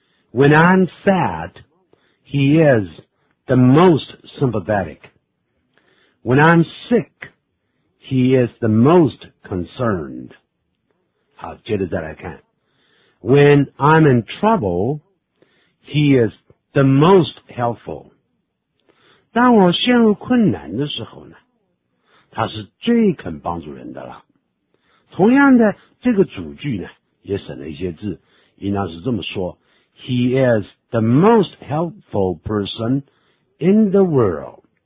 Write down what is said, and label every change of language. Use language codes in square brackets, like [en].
[en] When I'm sad, he is the most sympathetic. When I'm sick, He is the most concerned. [zh] 好，接着再来看。 [en] When I'm in trouble, he is the most helpful. [zh] 当我陷入困难的时候呢，他是最肯帮助人的了。同样的，这个主句呢，也省了一些字，应当是这么说。 [en] He is the most helpful person in the world.